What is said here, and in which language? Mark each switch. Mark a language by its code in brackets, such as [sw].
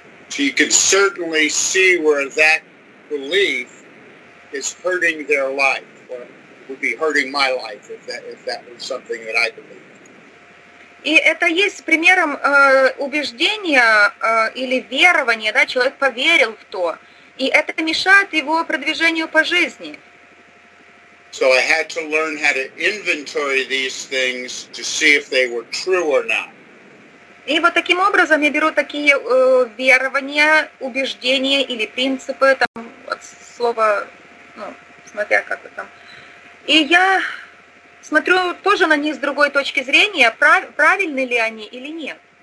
[en] You can certainly see where that belief is hurting their life. Would be hurting my life if that was something that I believe. [ru] И это есть примером убеждения или верования, да, человек поверил в то, и это мешает его продвижению по жизни. [en] So I had to learn how to inventory these things to see if they were true or not. [ru] И вот таким образом я беру такие верования, убеждения или принципы, там от слова, ну, смотря как это там. И я смотрю тоже на них с другой точки зрения, правильны ли они или нет.